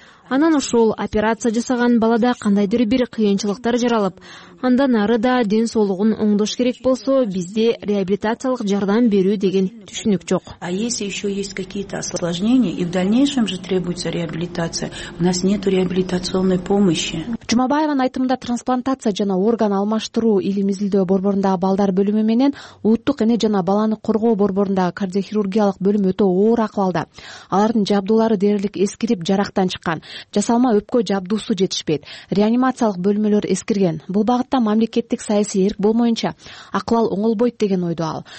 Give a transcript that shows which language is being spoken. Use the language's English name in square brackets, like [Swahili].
[Kyrgyz] Анан ошол операция жасаган балада кандайдыр бир кыйынчылыктар жаралып, андан ары да ден соолугун оңдош керек болсо, бизде реабилитациялык жардам берүү деген түшүнүк жок. [Russian] А если еще есть какие-то осложнения и в дальнейшем же требуется реабилитация, у нас нету реабилитационной помощи. [Kyrgyz] Жумабаеванын айтымында трансплантация жана орган алмаштыруу илим изилдөө борборундагы балдар бөлүмү менен улуттук эне жана баланы коргоо борборундагы кардиохирургиялык бөлүм өтө оор акыбалда. Алардын жабдуулары дээрлик эскирип жарактан чыккан. Жасалма өпкө жабдуусу жетишпейт. Реанимациялык бөлмөлөр эскирген. Бул багытта мамлекеттик саясий эрк болмоюнча акыбал оңолбойт деген ойдо ал.